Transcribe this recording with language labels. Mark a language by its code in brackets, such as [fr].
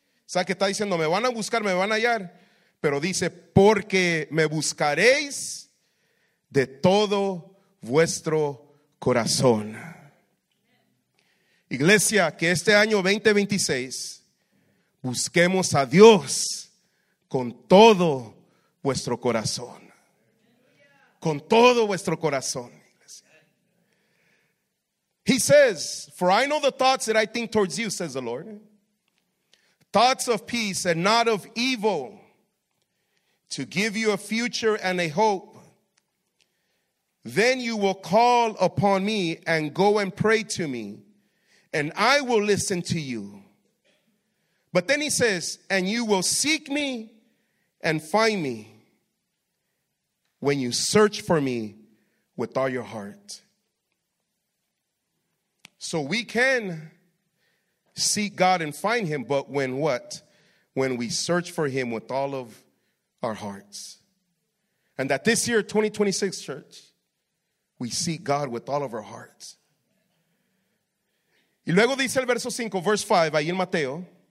[es] O sea que está diciendo, me van a buscar, me van a hallar. Pero dice, porque me buscaréis de todo vuestro corazón. Iglesia, que este año 2026 busquemos a Dios con todo vuestro corazón. Con todo vuestro corazón. [en] He says, for I know the thoughts that I think towards you, says the Lord. Thoughts of peace and not of evil, to give you a future and a hope. Then you will call upon me and go and pray to me, and I will listen to you. But then he says, and you will seek me and find me when you search for me with all your heart. So we can seek God and find him, but when what? When we search for him with all of our hearts. And that this year, 2026, church, we seek God with all of our hearts. [es] Y luego dice el verso 5, [en] verse 5, [es] ahí en Mateo.